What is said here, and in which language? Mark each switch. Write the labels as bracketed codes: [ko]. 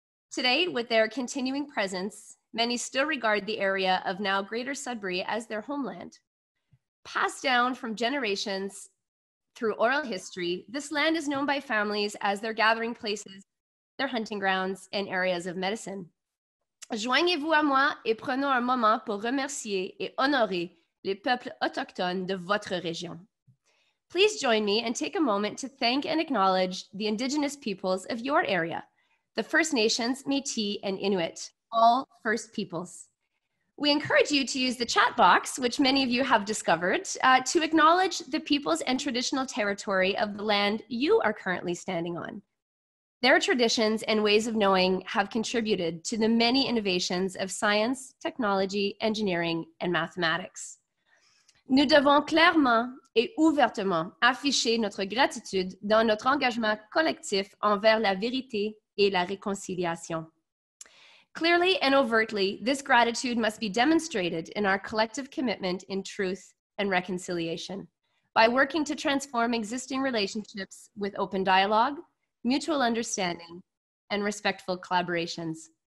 [en] Today, with their continuing presence, many still regard the area of now Greater Sudbury as their homeland. Passed down from generations through oral history, this land is known by families as their gathering places, their hunting grounds, and areas of medicine. [fr] Joignez-vous à moi et prenons un moment pour remercier et honorer les peuples autochtones de votre région. [en] Please join me and take a moment to thank and acknowledge the Indigenous peoples of your area, the First Nations, Métis, and Inuit, all First Peoples. We encourage you to use the chat box, which many of you have discovered, to acknowledge the peoples and traditional territory of the land you are currently standing on. Their traditions and ways of knowing have contributed to the many innovations of science, technology, engineering, and mathematics. [fr] Nous devons clairement et ouvertement afficher notre gratitude dans notre engagement collectif envers la vérité et la réconciliation. [en] Clearly and overtly, this gratitude must be demonstrated in our collective commitment in truth and reconciliation by working to transform existing relationships with open dialogue, mutual understanding, and respectful collaborations.